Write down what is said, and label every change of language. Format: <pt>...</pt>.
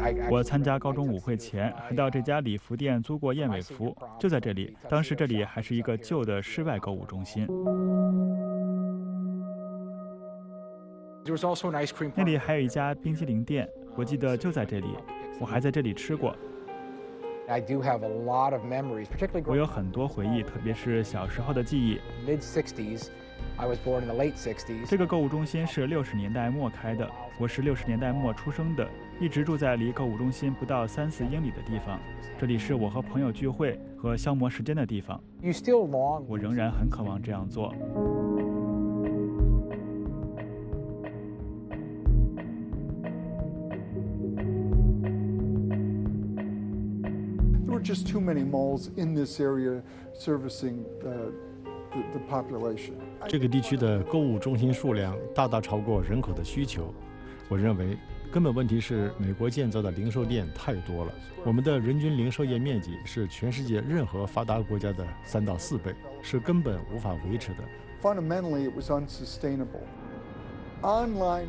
<zh>我参加高中舞会前，还到这家礼服店租过燕尾服，就在这里，当时这里还是一个旧的室外购物中心。那里还有一家冰淇淋店，我记得就在这里，我还在这里吃过。</zh> <en>I do have a lot of memories, particularly.</en> <zh>我有很多回忆，特别是小时候的记忆。</zh> <en>Mid-60s, I was born in the late 60s.</en> <zh>这个购物中心是60年代末开的，我是60年代末出生的，一直住在离购物中心不到3-4英里的地方。这里是我和朋友聚会和消磨时间的地方。</zh> <en>You still long.</en> <zh>我仍然很渴望这样做。</zh> <en>Just too many malls in this area servicing the population.</en> <zh>这个地区的购物中心数量大大超过人口的需求。我认为根本问题是美国建造的零售店太多了。我们的人均零售业面积是全世界任何发达国家的3到4倍，是根本无法维持的。</zh> <en>Fundamentally, it was unsustainable. Online</en>